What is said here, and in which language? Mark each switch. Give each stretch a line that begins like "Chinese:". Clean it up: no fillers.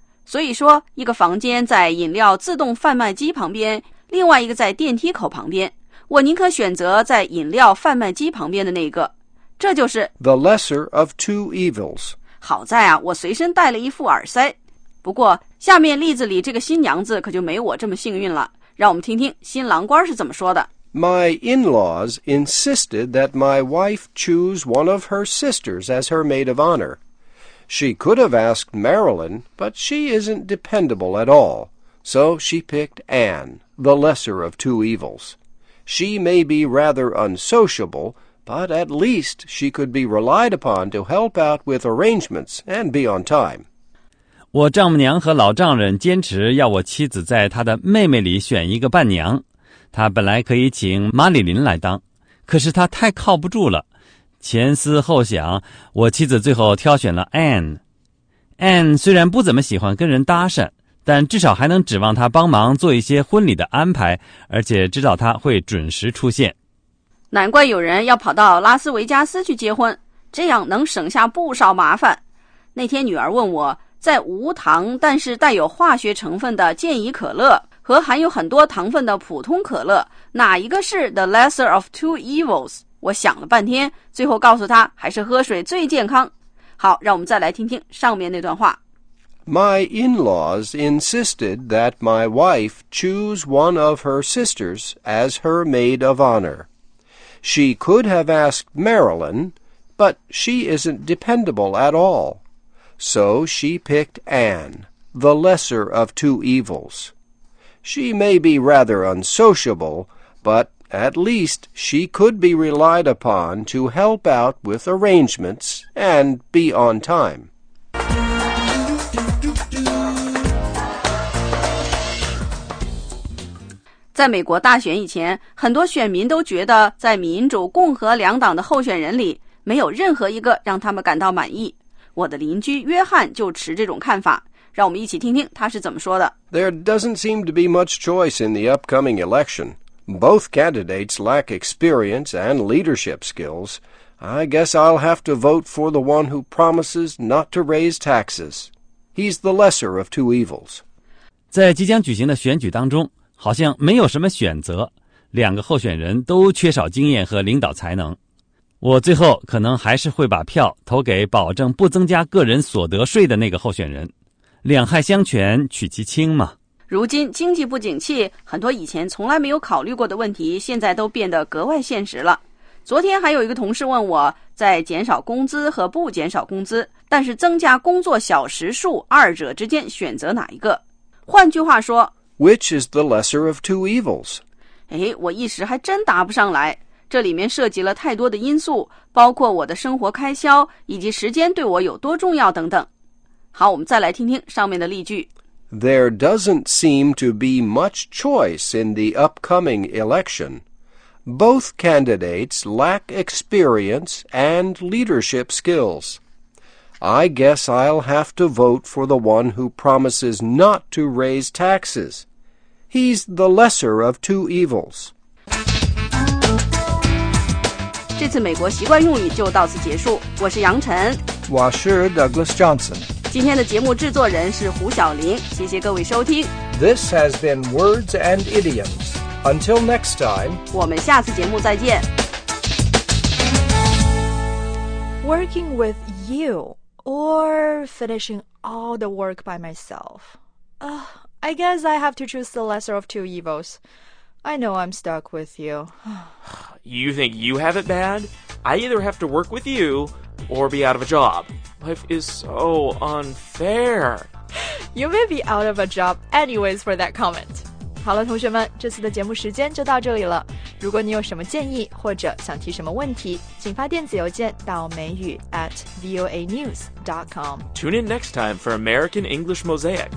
Chinese: 所以说一个房间在饮料自动贩卖机旁边，另外一个在电梯口旁边。我宁可选择在饮料贩卖机旁边的那个。这就是
English: The lesser of two evils.
Chinese: 好在啊，我随身带了一副耳塞。不过下面例子里这个新娘子可就没我这么幸运了。让我们听听新郎官是怎么说的。
English: My in-laws insisted that my wife choose one of her sisters as her maid of honor. She could have asked Marilyn, but she isn't dependable at all. So she picked Anne, the lesser of two evils. She may be rather unsociable, but at least she could be relied upon to help out with arrangements and be on time.
Chinese: 我丈母娘和老丈人坚持要我妻子在她的妹妹里选一个伴娘。他本来可以请玛丽琳来当，可是他太靠不住了。前思后想，我妻子最后挑选了 Anne。 Anne 虽然不怎么喜欢跟人搭讪，但至少还能指望他帮忙做一些婚礼的安排，而且知道他会准时出现。难怪有人要跑到拉斯维加斯去结婚，这样能省下不少麻烦。那天女儿问我，在无糖但是带有化学成分的健怡可乐和含有很多糖分的普通可乐，哪一个是
English: the lesser of two evils?
Chinese: 我想了半天，最后告诉他还是喝水最健康。好，让我们再来听听上面那段话。
English: My in-laws insisted that my wife choose one of her sisters as her maid of honor. She could have asked Marilyn, but she isn't dependable at all. So she picked Anne, the lesser of two evils. She may be rather unsociable, but at least she could be relied upon to help out with arrangements and be on time.
Chinese: 在美国大选以前，很多选民都觉得在民主、共和两党的候选人里没有任何一个让他们感到满意。我的邻居约翰就持这种看法。让我们一起听听他是怎么说的。
English: There doesn't seem to be much choice in the upcoming election. Both candidates lack experience and leadership skills. I guess I'll have to vote for the one who promises not to raise taxes. He's the lesser of two evils.
Chinese: 在即将举行的选举当中，好像没有什么选择，两个候选人都缺少经验和领导才能。我最后可能还是会把票投给保证不增加个人所得税的那个候选人。两害相权取其轻嘛。如今经济不景气，很多以前从来没有考虑过的问题现在都变得格外现实了。昨天还有一个同事问我，在减少工资和不减少工资，但是增加工作小时数，二者之间选择哪一个？换句话说，
English: Which is the lesser of two evils?
Chinese: 哎，我一时还真答不上来。这里面涉及了太多的因素，包括我的生活开销以及时间对我有多重要等等。好，我们再来听听上面的例句。
English: There doesn't seem to be much choice in the upcoming election. Both candidates lack experience and leadership skills. I guess I'll have to vote for the one who promises not to raise taxes. He's the lesser of two evils.
Chinese: 这次美国习惯用语就到此结束。我是杨晨。我是 Douglas Johnson。今天的节目制作人是胡晓玲，谢谢各位收听。
English: This has been Words and Idioms. Until next time,
Chinese: 我们下次节目再见。
English: Working with you or finishing all the work by myself? I guess I have to choose the lesser of two evils. I know I'm stuck with you. You think you have it bad? I either have to work with you or be out of a job. Life is so unfair. You may be out of a job anyways for that comment.
Chinese: 好了，同学们，这次的节目时间就到这里了。如果你有什么建议或者想提什么问题，请发电子邮件到美语@voanews.com.
English: Tune in next time for American English Mosaic.